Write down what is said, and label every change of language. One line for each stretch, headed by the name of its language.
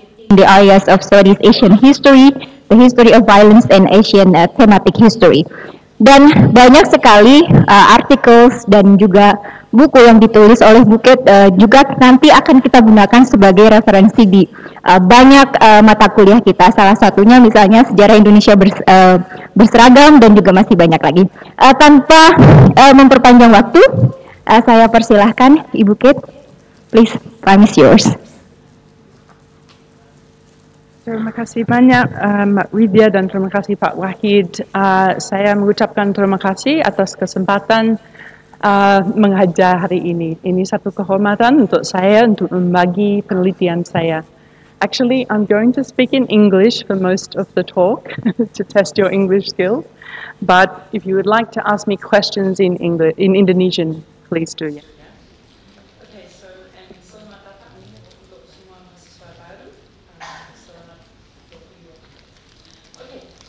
English: The areas of studies Asian history, the history of violence and Asian thematic history.
Indonesian: Dan banyak sekali artikel dan juga buku yang ditulis oleh Bukit juga nanti akan kita gunakan sebagai referensi di banyak mata kuliah kita, salah satunya misalnya sejarah Indonesia berseragam dan juga masih banyak lagi. Tanpa memperpanjang waktu, saya persilahkan Ibu Kate,
English: please, time is yours.
Indonesian: Terima kasih banyak, Mbak Widya, dan terima kasih Pak Wahid. Saya mengucapkan terima kasih atas kesempatan menghadiri hari ini. Ini satu kehormatan untuk saya untuk membagi penelitian saya.
English: Actually, I'm going to speak in English for most of the talk to test your English skills. But if you would like to ask me questions in English, in Indonesian, please do. Yeah. Okay,